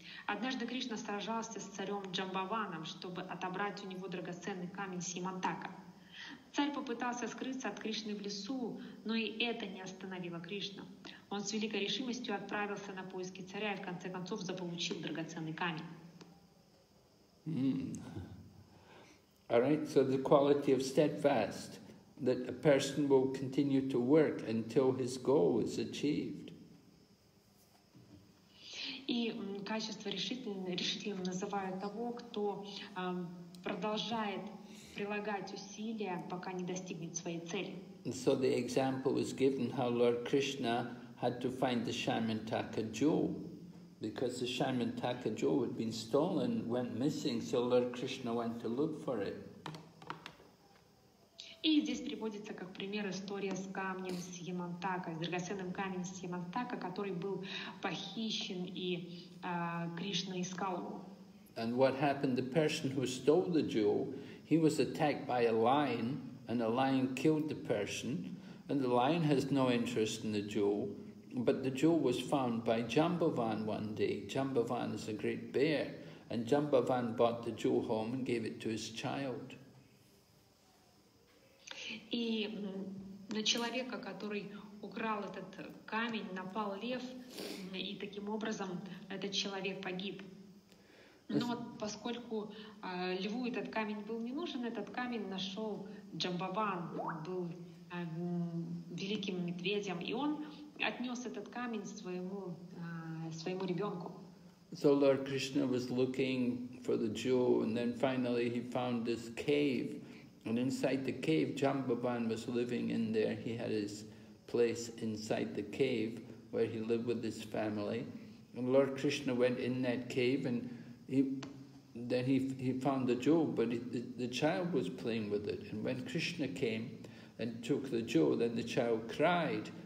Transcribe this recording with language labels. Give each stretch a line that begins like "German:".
Russian: Однажды Кришна сражался с царем Джамбаваном, чтобы отобрать у него драгоценный камень Симантака. Царь попытался скрыться от Кришны в лесу, но и это не остановило Кришну. Он с великой решимостью отправился на поиски царя и в конце концов заполучил драгоценный камень.
English: All right, so the quality of steadfast, that a person will continue to work until his goal is achieved.
Russian: И качество решительным называют того, кто продолжает прилагать усилия, пока не достигнет своей цели.
English: So the example was given how Lord Krishna had to find the Shyamantaka jewel. Because the Shyamantaka jewel had been stolen, went missing, so Lord Krishna went to look for it.
Russian: И здесь приводится как пример история с камнем Симантака, с драгоценным камнем Симантака, который был похищен, и Кришна искал его.
English: And what happened? The person who stole the jewel, he was attacked by a lion, and a lion killed the person, and the lion has no interest in the jewel. But the jewel was found by Jambavan one day. Jambavan is a great bear, and Jambavan bought the jewel home and gave it to his child.
Russian: И на человека, который украл этот камень, напал лев, и таким образом этот человек погиб. Но поскольку льву этот камень был не нужен, этот камень нашел Джамбаван, был великим медведем, и он отнес этот камень своему ребенку.
English: So Lord Krishna was looking for the jewel, and then finally he found this cave, and inside the cave Jambavan was living in there. He had his place inside the cave where he lived with his family, and Lord Krishna went in that cave, and he found the jewel, but the child was playing with it, and when Krishna came and took the jewel, then the child cried.